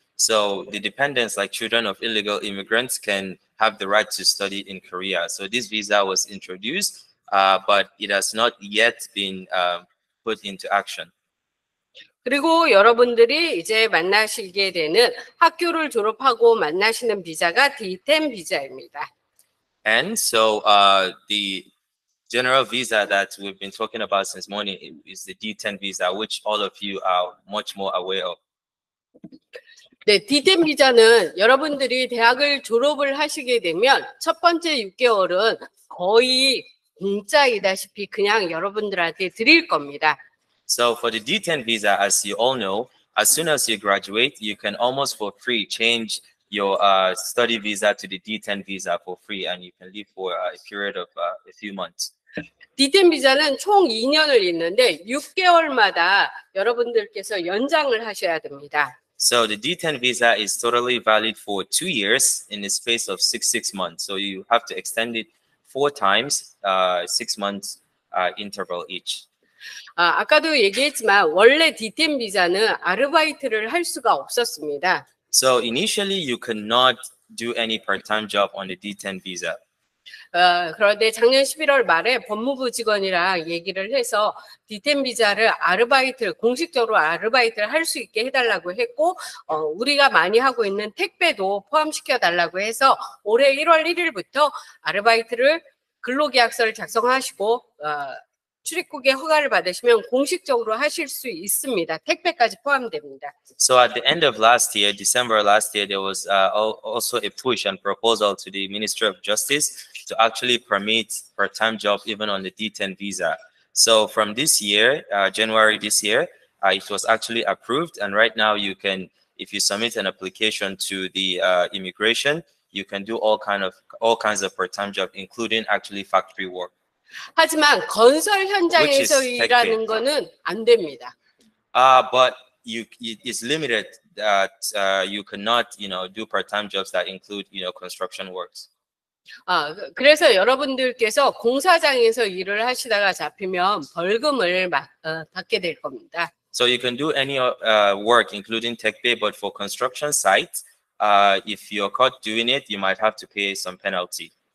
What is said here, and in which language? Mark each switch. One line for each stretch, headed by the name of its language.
English: So the dependents, like children of illegal immigrants, can have the right to study in Korea. So this visa was introduced, but it has not yet been put into action.
Korean: 그리고 여러분들이 이제 만나시게 되는 학교를 졸업하고 만나시는 비자가 D10 비자입니다.
English: And so the general visa that we've been talking about since morning is the D10 visa, which all of you are much more aware of.
Korean: 네, D10 비자는 여러분들이 대학을 졸업을 하시게 되면 첫 번째 6개월은 거의 공짜이다시피 그냥 여러분들한테 드릴 겁니다.
English: So for the D10 visa, as you all know, as soon as you graduate, you can almost for free change your study visa to the D10 visa for free, and you can leave for a period of a few months.
Korean: D10 비자는 총 2년을 있는데 6개월마다 여러분들께서 연장을 하셔야 됩니다.
English: So the D10 visa is totally valid for 2 years in the space of six months. So you have to extend it 4 times, 6 months interval each.
Korean: 아까도 얘기했지만 원래 D10 비자는 아르바이트를 할 수가 없었습니다.
English: So initially you could not do any part-time job on the D10 visa.
Korean: 그런데 작년 11월 말에 법무부 직원이랑 얘기를 해서 D10 비자를 아르바이트를 공식적으로 아르바이트를 할 수 있게 해달라고 했고 우리가 많이 하고 있는 택배도 포함시켜 달라고 해서 올해 1월 1일부터 아르바이트를 근로계약서를 작성하시고 출입국에 허가를 받으시면 공식적으로 하실 수 있습니다. 택배까지 포함됩니다.
English: So at the end of last year, December last year, there was also a push and proposal to the Ministry of Justice to actually permit part-time job even on the D10 visa. So from this year, January this year, it was actually approved. And right now you can, if you submit an application to the immigration, you can do all kinds of part-time job, including actually factory work.
Korean: 하지만 건설 현장에서 일하는 거는 안 됩니다.
English: But it's limited that you cannot, you know, do part-time jobs that include, you know, construction works.
Korean: 그래서 여러분들께서 공사장에서 일을 하시다가 잡히면 벌금을 받게 될 겁니다.
English: So you can do any work including techbay, but for construction sites, if you're caught doing it, you might have to pay some penalty.